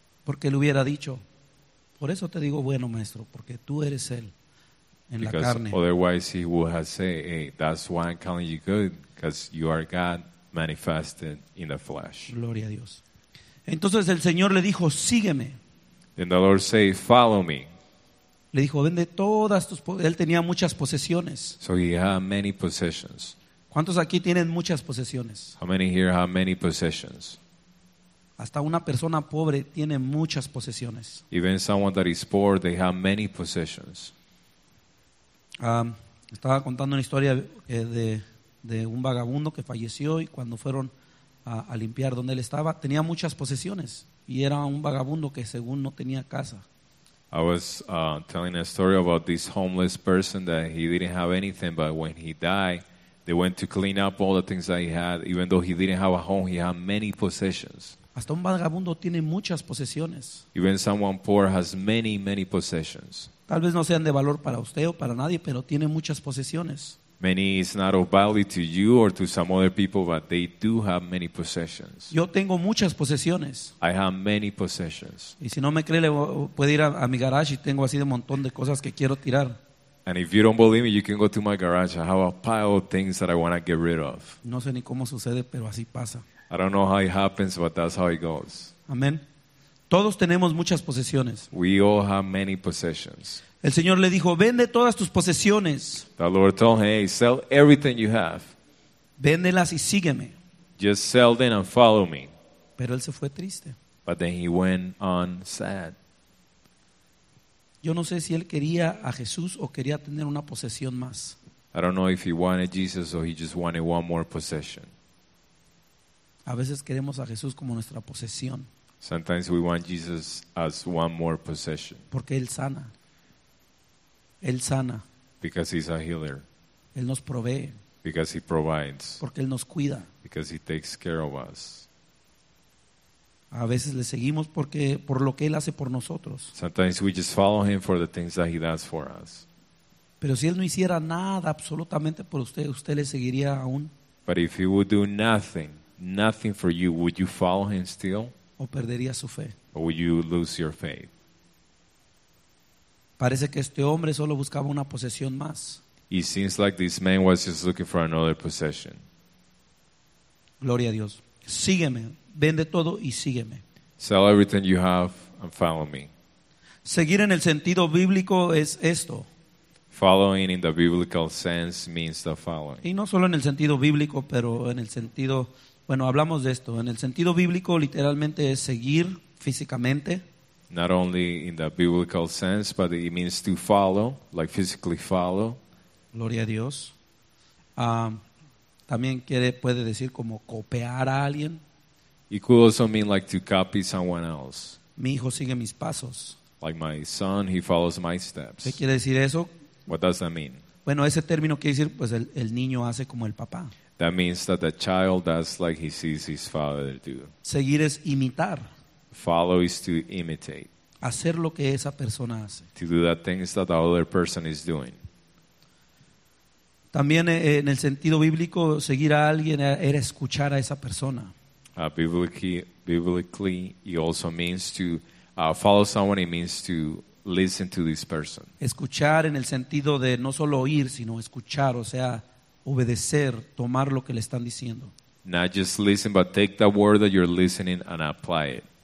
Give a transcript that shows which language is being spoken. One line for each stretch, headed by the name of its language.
Spanish: Porque él hubiera dicho, por eso te digo bueno, maestro, porque tú eres él en
English: because
Spanish: la carne.
English: Because otherwise he would have said, hey, that's why I'm calling you good, because you are God manifested in the flesh.
Spanish: Gloria a Dios. Entonces el Señor le dijo, sígueme.
English: Then the Lord said, follow me.
Spanish: Le dijo, vende todas tus posesiones. Él tenía muchas posesiones.
English: So he had many possessions.
Spanish: ¿Cuántos aquí tienen muchas posesiones?
English: How many here have many possessions?
Spanish: Hasta una persona pobre tiene muchas posesiones.
English: Even someone that is poor, they have many possessions.
Spanish: Estaba contando una historia de un vagabundo que falleció, y cuando fueron a limpiar donde él estaba, tenía muchas posesiones. Y era un vagabundo que según no tenía casa.
English: I was telling a story about this homeless person that he didn't have anything, but when he died, they went to clean up all the things that he had. Even though he didn't have a home, he had many possessions.
Spanish: Hasta un vagabundo tiene muchas posesiones.
English: Even someone poor has many, many possessions.
Spanish: Tal vez no sean de valor para usted o para nadie, pero tiene muchas posesiones.
English: Many is not of value to you or to some other people, but they do have many possessions.
Spanish: Yo tengo muchas posesiones.
English: I have many possessions.
Spanish: Y si no me cree, le puede ir a mi garage, y tengo así de montón de cosas que quiero tirar.
English: And if you don't believe me, you can go to my garage. I have a pile of things that I want to get rid of.
Spanish: No sé ni cómo sucede, pero así pasa.
English: I don't know how it happens, but that's how it goes.
Spanish: Amén. Todos tenemos muchas posesiones.
English: We all have many possessions.
Spanish: El Señor le dijo, vende todas tus posesiones.
English: The Lord told him, hey, sell everything you have.
Spanish: Véndelas y sígueme.
English: Just sell them and follow me.
Spanish: Pero él se fue triste.
English: But then he went on sad.
Spanish: Yo no sé si él quería a Jesús o quería tener una posesión más.
English: I don't know if he wanted Jesus or he just wanted one more possession.
Spanish: A veces queremos a Jesús como nuestra posesión.
English: Sometimes we want Jesus as one more possession.
Spanish: Porque él sana. Él sana.
English: Because he's a healer.
Spanish: Él nos provee.
English: Because he provides.
Spanish: Porque él nos cuida.
English: Because he takes care of us.
Spanish: A veces le seguimos porque por lo que él hace por nosotros.
English: Sometimes we just follow him for the things that he does for us.
Spanish: Pero si él no hiciera nada absolutamente por usted, ¿usted le seguiría aún?
English: But if he would do nothing for you, would you follow him still?
Spanish: ¿O perdería su fe?
English: Or would you lose your faith?
Spanish: Parece que este hombre solo buscaba una posesión más.
English: It seems like this man was just looking for another possession.
Spanish: Gloria a Dios. Sígueme. Vende todo y sígueme.
English: Sell everything you have and follow me.
Spanish: Seguir en el sentido bíblico es esto.
English: Following in the biblical sense means the following.
Spanish: Y no solo en el sentido bíblico, pero en el sentido, bueno, hablamos de esto. En el sentido bíblico, literalmente es seguir físicamente.
English: Not only in the biblical sense, but it means to follow, like physically follow.
Spanish: Gloria a Dios. También puede decir como copiar a alguien.
English: It could also mean like to copy someone else.
Spanish: Mi hijo sigue mis pasos.
English: Like my son, he follows my steps.
Spanish: ¿Qué quiere decir eso?
English: What does that mean?
Spanish: Bueno, ese término quiere decir, pues el niño hace como el papá.
English: That means that the child does like he sees his father do.
Spanish: Seguir es imitar.
English: Follow is to imitate.
Spanish: Hacer lo que esa persona hace.
English: To do the things that the other person is doing.
Spanish: También en el sentido bíblico, seguir a alguien era escuchar a esa persona.
English: Biblically, it also means to follow someone, it means to listen to this person.
Spanish: Escuchar en el sentido de no solo oír, sino escuchar, o sea, obedecer, tomar lo que le están diciendo.
English: Not just listen, but take that word that you're listening and apply it.